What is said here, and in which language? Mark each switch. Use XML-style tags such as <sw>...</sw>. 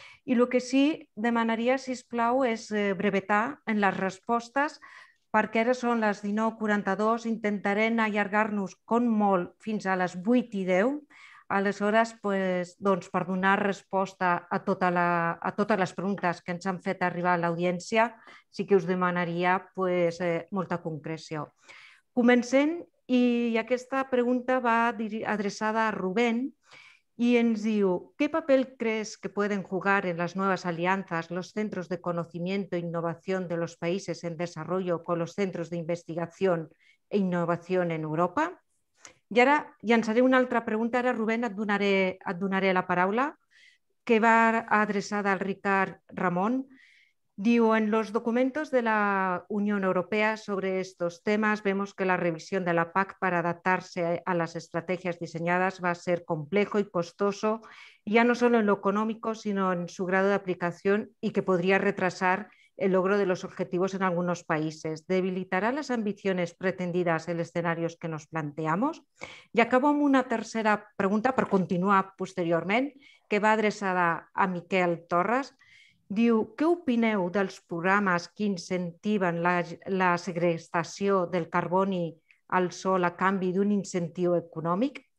<ca>I el que sí demanaria, sisplau, és brevetar en les respostes, perquè ara són les 19:42, intentarem allargar-nos com molt fins a les 8:10. Aleshores, doncs, per donar resposta a totes les preguntes que ens han fet arribar a l'audiència, sí que us demanaria molta concreció. Comencem, i aquesta pregunta va adreçada a Rubén, i ens diu:</ca> <es>¿qué papel crees que pueden jugar en las nuevas alianzas los centros de conocimiento e innovación de los países en desarrollo con los centros de investigación e innovación en Europa?</es> <ca>I ara llançaré una altra pregunta. Ara, Rubén, et donaré la paraula, que va adreçada al Ricard Ramon.</ca> <es>Diu: en los documentos de la Unión Europea sobre estos temas vemos que la revisión de la PAC para adaptarse a las estrategias diseñadas va a ser complejo y costoso, ya no solo en lo económico, sino en su grado de aplicación, y que podría retrasar el logro de los objetivos en algunos países. ¿Debilitará las ambiciones pretendidas en escenarios que nos planteamos? Y acabo</es> <ca>amb una tercera pregunta, per continuar posteriorment, que va adreçada a Miquel Torres. Diu: què opineu dels programes que incentiven la segrestació del carboni al sol a canvi d'un incentiu econòmic?</ca>